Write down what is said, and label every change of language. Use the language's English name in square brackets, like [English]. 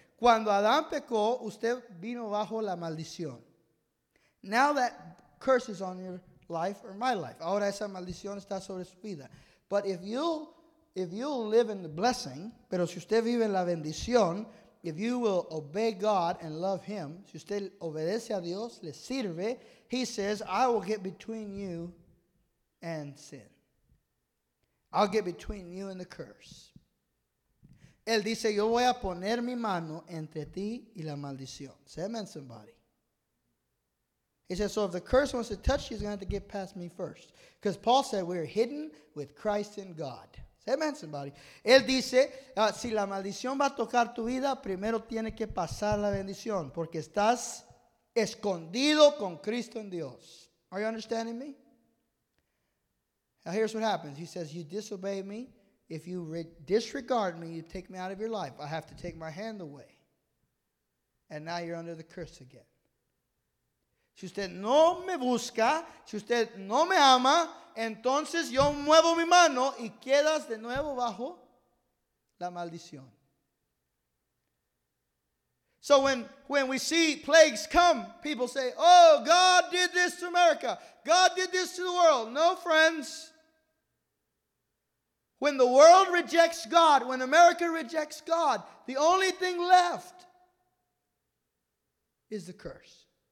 [Spanish] Cuando Adán pecó, usted vino bajo la maldición. [English] Now that curse is on your life or my life. [Spanish] Ahora esa maldición está sobre su vida. [English] But if you'll live in the blessing, [Spanish] pero si usted vive en la bendición, [English] if you will obey God and love him, [Spanish] si usted obedece a Dios, le sirve, [English] he says, I will get between you and sin. I'll get between you and the curse. [Spanish] Él dice, yo voy a poner mi mano entre ti y la maldición. [English] Say amen, somebody. He says, so if the curse wants to touch you, he's going to have to get past me first. Because Paul said, we're hidden with Christ in God. Say amen, somebody. [Spanish] Él dice, si la maldición va a tocar tu vida, primero tiene que pasar la bendición, porque estás escondido con Cristo en Dios. [English] Are you understanding me? Now here's what happens. He says, you disobey me. If you disregard me, you take me out of your life. I have to take my hand away. And now you're under the curse again. [Spanish] Si usted no me busca, si usted no me ama, entonces yo muevo mi mano y quedas de nuevo bajo la maldición. [English] So when we see plagues come, people say, oh, God did this to America. God did this to the world. No, friends. When the world rejects God, when America rejects God, the only thing left is the curse.